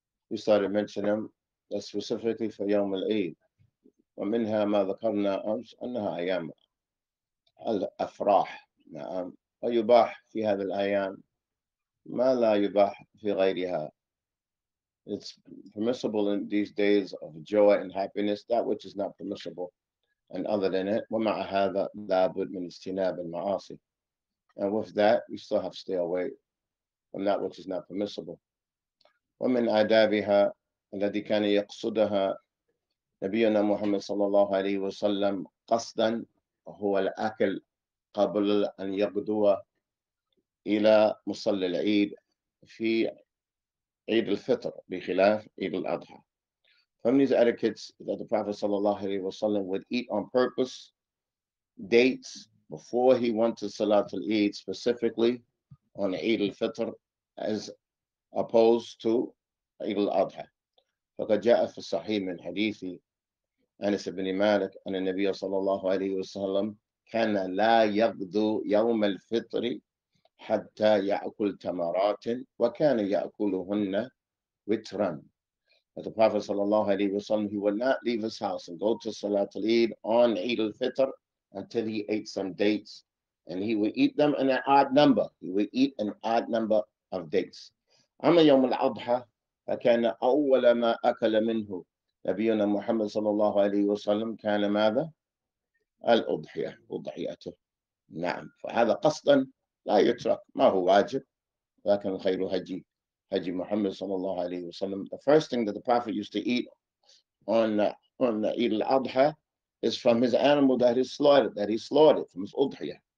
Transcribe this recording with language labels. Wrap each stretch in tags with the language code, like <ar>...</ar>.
<en>we started mentioning them specifically for</en> <ar>يوم العيد، ومنها ما ذكرنا أمس أنها أيام الأفراح، نعم، ويباح في هذه الأيام ما لا يباح في غيرها.</ar> <en>It's permissible in these days of joy and happiness that which is not permissible and other than it.</en> <ar>ومع هذا لابد من اجتناب المعاصي.</ar> <en>And with that, we still have to stay away from that which is not permissible.</en> <ar>ومن آدابها الذي كان يقصدها نبينا محمد صلى الله عليه وسلم قصدا هو الأكل قبل أن يغدو إلى مصلي العيد في عيد الفطر بخلاف عيد الأضحى.</ar> <en>From these etiquettes that the Prophet صلى الله عليه وسلم would eat on purpose dates before he went to Salat al-Eid, specifically on عيد الفطر as opposed to عيد الأضحى.</en> <ar>فقد جاء في الصحيح من حديث أنس بن مالك أن النبي صلى الله عليه وسلم كان لا يغدو يوم الفطر حتى يأكل تمرات وكان يأكلهن وترا.</ar> <en>The Prophet صلى الله عليه وسلم, he would not leave his house and go to Salat al-Eid on Eid al-Fitr until he ate some dates, and he would eat them in an odd number. He would eat an odd number of dates.</en> <ar>أما يوم الأضحى فكان أول ما أكل منه نبينا محمد صلى الله عليه وسلم كان ماذا؟ الأضحية، أضحيته. نعم، فهذا قصدا لا يترك، ما هو واجب، لكن خير هدي هدي محمد صلى الله عليه وسلم.</ar> <en>The first thing that the Prophet used to eat on Eid al-Adha is from his animal that he slaughtered, from his udhiya.</en>